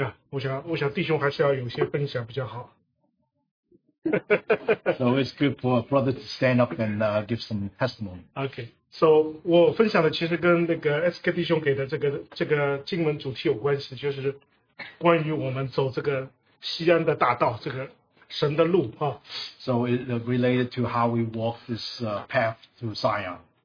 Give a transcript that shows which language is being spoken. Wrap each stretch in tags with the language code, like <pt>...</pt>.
<zh>我想弟兄还是要有些分享比较好。</zh> <en>So it's good for a brother to stand up and give some testimony. Okay, so</en> <zh>我分享的其实跟那个 SK 弟兄给的这个经文主题有关系，就是关于我们走这个西安的大道，这个神的路啊。</zh> <en>So it related to how we walk this path to Zion.</en>